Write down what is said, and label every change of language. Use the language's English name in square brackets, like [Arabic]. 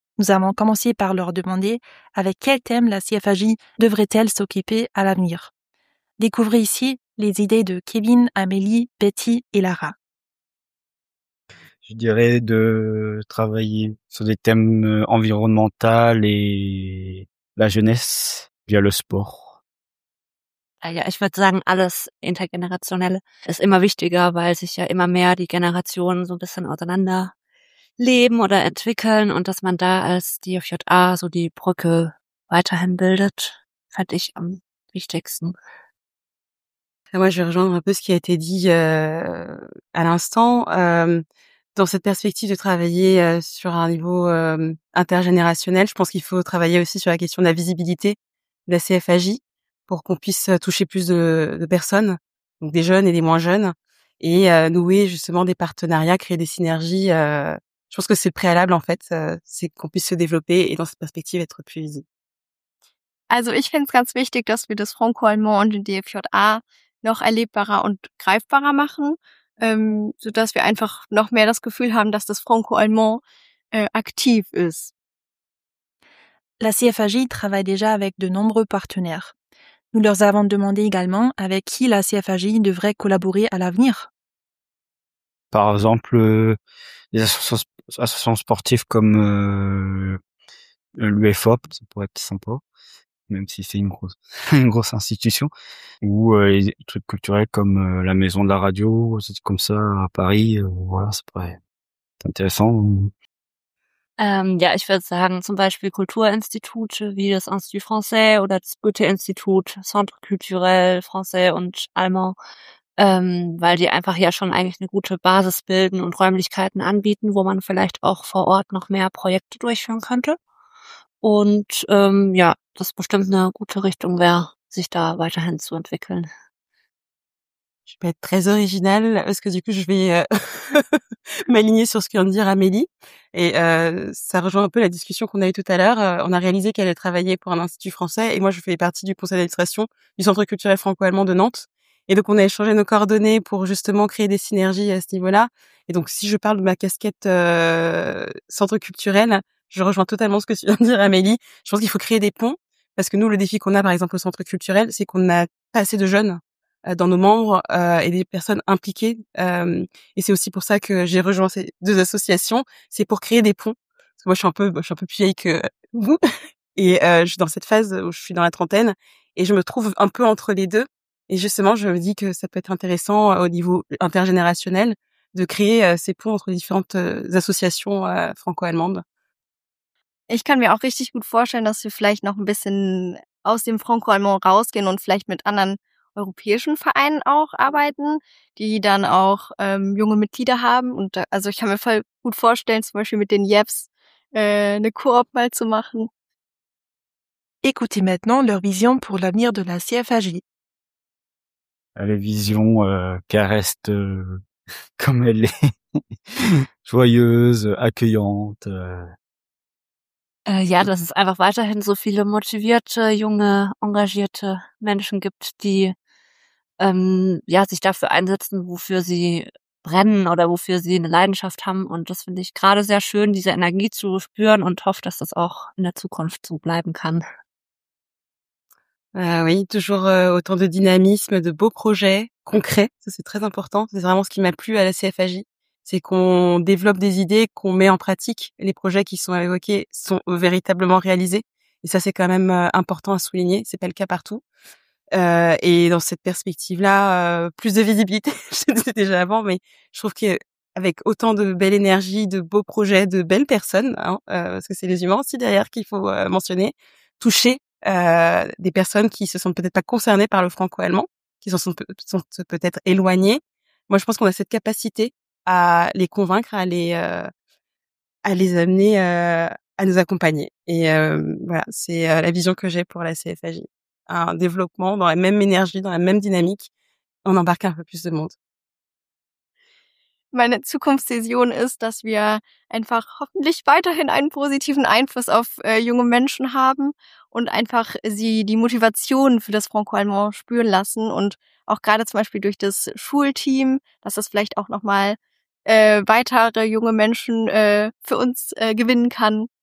[French] Nous avons commencé par leur demander avec quel thème la CFAJ devrait-elle s'occuper à l'avenir. Découvrez ici les idées de Kevin, Amélie, Betty et Lara. Je dirais de travailler sur des thèmes environnementaux et la jeunesse via le sport. [German] Ja, ich würde sagen, alles Intergenerationelle ist immer wichtiger, weil sich ja immer mehr die Generationen so ein bisschen auseinander leben oder entwickeln und dass man da als DFJA so die Brücke weiterhin bildet, fand ich am wichtigsten. [French] Ja, moi, je vais rejoindre un peu ce qui a été dit à l'instant. Dans cette perspective de travailler sur un niveau intergénérationnel, je pense qu'il faut travailler aussi sur la question de la visibilité de la CFAJ pour qu'on puisse toucher plus de personnes, donc des jeunes et des moins jeunes, et nouer justement des partenariats, créer des synergies. Je pense que c'est le préalable, en fait, c'est qu'on puisse se développer et dans cette perspective être plus visible. [German] Also ich finde es ganz wichtig, dass wir das Franco-Allemand und den DFJA noch erlebbarer und greifbarer machen, so dass wir einfach noch mehr das Gefühl haben, dass das Franco-Allemand aktiv ist. [French] La CFAJ travaille déjà avec de nombreux partenaires. Nous leur avons demandé également avec qui la CFAJ devrait collaborer à l'avenir. Par exemple, des associations sportives comme l'UFOP, ça pourrait être sympa, même si c'est une grosse institution, ou les trucs culturels comme la Maison de la Radio, c'est comme ça à Paris, voilà, ça pourrait être intéressant. [German] Ja, ich würde sagen, zum Beispiel Kulturinstitute wie das Institut Français oder das Goethe-Institut, Centre Culturel Français und Allemand, weil die einfach ja schon eigentlich eine gute Basis bilden und Räumlichkeiten anbieten, wo man vielleicht auch vor Ort noch mehr Projekte durchführen könnte. Und ja, das bestimmt eine gute Richtung wäre, sich da weiterhin zu entwickeln. [French] Je vais être très originale parce que du coup, je vais m'aligner sur ce que vient de dire Amélie. Et ça rejoint un peu la discussion qu'on a eue tout à l'heure. On a réalisé qu'elle travaillait pour un institut français et moi, je fais partie du conseil d'administration du Centre culturel franco-allemand de Nantes. Et donc, on a échangé nos coordonnées pour justement créer des synergies à ce niveau-là. Et donc, si je parle de ma casquette centre culturel, je rejoins totalement ce que vient de dire Amélie. Je pense qu'il faut créer des ponts parce que nous, le défi qu'on a, par exemple, au centre culturel, c'est qu'on n'a pas assez de jeunes dans nos membres et des personnes impliquées. Et c'est aussi pour ça que j'ai rejoint ces deux associations. C'est pour créer des ponts. Parce que moi, je suis un peu plus vieille que vous. Et je suis dans cette phase où je suis dans la trentaine. Et je me trouve un peu entre les deux. Et justement, je me dis que ça peut être intéressant au niveau intergénérationnel de créer ces ponts entre différentes associations franco-allemandes. [German] Ich kann mir auch richtig gut vorstellen, dass wir vielleicht noch ein bisschen aus dem Franco-Allemand rausgehen und vielleicht mit anderen europäischen Vereinen auch arbeiten, die dann auch junge Mitglieder haben. Und da, also ich kann mir voll gut vorstellen, zum Beispiel mit den JEPs eine Koop mal zu machen. [French] Écoutez maintenant leur vision pour l'avenir de la CFAJ. La vision qu'elle reste comme elle est, joyeuse, accueillante. [German] Ja, dass es einfach weiterhin so viele motivierte, junge, engagierte Menschen gibt, die ja, sich dafür einsetzen, wofür sie brennen oder wofür sie eine Leidenschaft haben. Und das finde ich gerade sehr schön, diese Energie zu spüren und hoffe, dass das auch in der Zukunft so bleiben kann. [French] Oui, toujours autant de dynamisme, de beaux projets concrets. Ça, c'est très important. C'est vraiment ce qui m'a plu à la CFAJ. C'est qu'on développe des idées, qu'on met en pratique. Les projets qui sont évoqués sont véritablement réalisés. Et ça, c'est quand même important à souligner. C'est pas le cas partout. Et dans cette perspective-là, plus de visibilité, je le disais déjà avant, mais je trouve qu'avec autant de belle énergie, de beaux projets, de belles personnes, hein, parce que c'est les humains aussi derrière qu'il faut mentionner, toucher des personnes qui se sentent peut-être pas concernées par le franco-allemand, qui s'en sont peut-être éloignées. Moi, je pense qu'on a cette capacité à les convaincre, à les amener à nous accompagner. Et voilà, c'est la vision que j'ai pour la CFAJ. Un développement dans la même énergie, dans la même dynamique, on embarque un peu plus de monde. [German] Meine Zukunftsvision ist, dass wir einfach hoffentlich weiterhin einen positiven Einfluss auf junge Menschen haben und einfach sie die Motivation für das Franco-Allemand spüren lassen und auch gerade zum Beispiel durch das Schulteam, dass das vielleicht auch nochmal weitere junge Menschen für uns gewinnen kann.